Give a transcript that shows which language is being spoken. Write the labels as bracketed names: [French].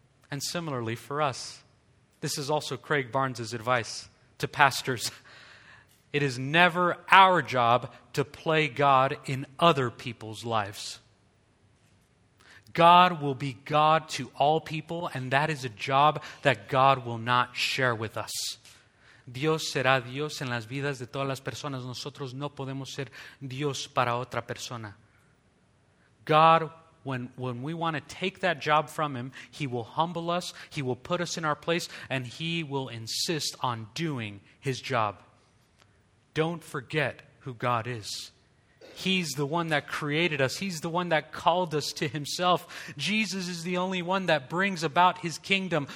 [English] And similarly for us, this is also Craig Barnes's advice to pastors. It is never our job to play God in other people's lives. God will be God to all people, and that is a job that God will not share with us. [Spanish] Dios será Dios en las vidas de todas las personas. Nosotros no podemos ser Dios para otra persona. [English] God when we want to take that job from him, he will humble us, he will put us in our place, and he will insist on doing his job. Don't forget who God is. He's the one that created us. He's the one that called us to himself. Jesus is the only one that brings about his kingdom.